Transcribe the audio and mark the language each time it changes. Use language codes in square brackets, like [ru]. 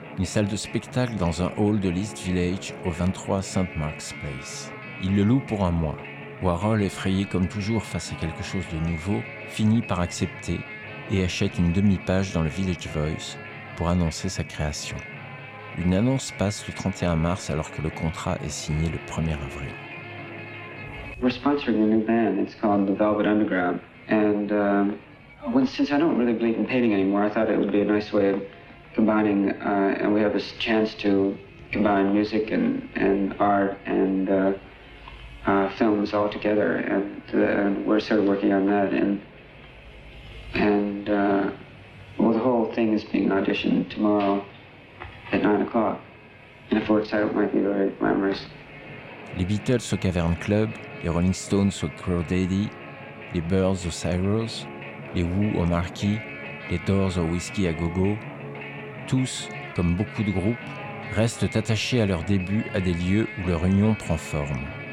[fr] Une salle de spectacle dans un hall de l'East Village au 23 St. Mark's Place. Il le loue pour un mois. Warhol, effrayé comme toujours face à quelque chose de nouveau, finit par accepter et achète une demi-page dans le Village Voice pour annoncer sa création. Une annonce passe le 31 mars alors que le contrat est signé le 1er avril. [en] We're sponsoring a new band, it's called The Velvet Underground. And since I don't really believe in painting anymore, I thought it would be a nice way of combining, and we have this chance to combine music and art and films all together, and we're sort of working on that, and the whole thing is being auditioned tomorrow at 9 o'clock, and if it works out, it might be very glamorous. [fr] Les Beatles au Cavern Club, les Rolling Stones au Crow Daddy, les Birds au Cyrus, les Who au Marquis, les Doors au Whiskey à Gogo. Tous, comme beaucoup de groupes, restent attachés à leur début à des lieux où leur union prend forme.